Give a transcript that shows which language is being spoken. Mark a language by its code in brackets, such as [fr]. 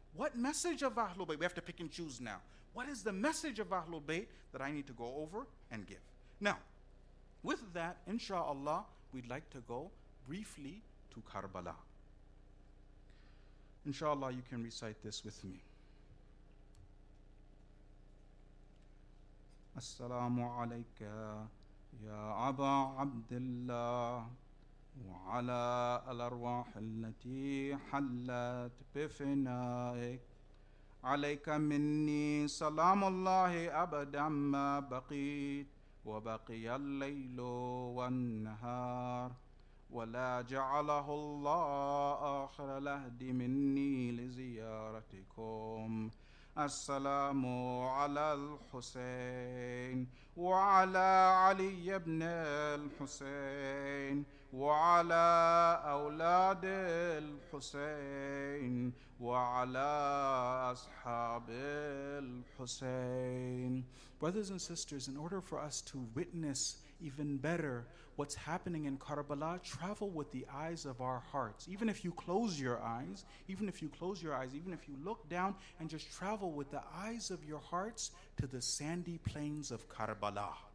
[en] What message of Ahlul Bayt? We have to pick and choose now. What is the message of Ahlul Bayt that I need to go over and give? Now, with that, inshallah, we'd like to go briefly to Karbala. Inshallah, you can recite this with me. [ar] السلام عليك يا أبا عبد الله وعلى الأرواح التي حلت بفنائك عليك مني سلام الله أبدا ما بقيت وبقي الليل والنهار ولا جعله الله آخر الهدي مني لزيارتكم السلام على الحسين وعلى علي بن الحسين وعلى أولاد الحسين وعلى أصحاب الحسين. [en] Brothers and sisters, in order for us to witness even better what's happening in Karbala, travel with the eyes of our hearts. Even if you close your eyes, even if you close your eyes, even if you look down and just travel with the eyes of your hearts to the sandy plains of Karbala.